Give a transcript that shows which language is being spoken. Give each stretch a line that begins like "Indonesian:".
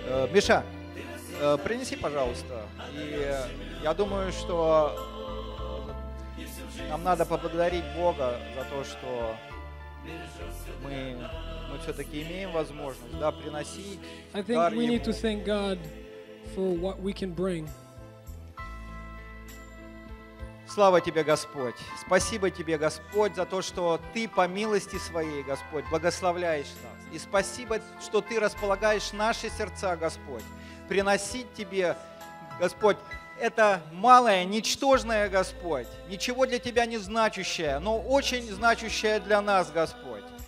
Russian: Миша, принеси, пожалуйста, и я думаю, что нам надо поблагодарить Бога за то, что мы все-таки имеем возможность, да, приносить дар Ему.
English: I think we need to thank God for what we can bring.
Russian: Слава Тебе, Господь! Спасибо Тебе, Господь, за то, что Ты по милости Своей, Господь, благословляешь нас. И спасибо, что Ты располагаешь наши сердца, Господь. Приносить Тебе, Господь, это малое, ничтожное, Господь, ничего для Тебя не значащее, но очень значащее для нас, Господь.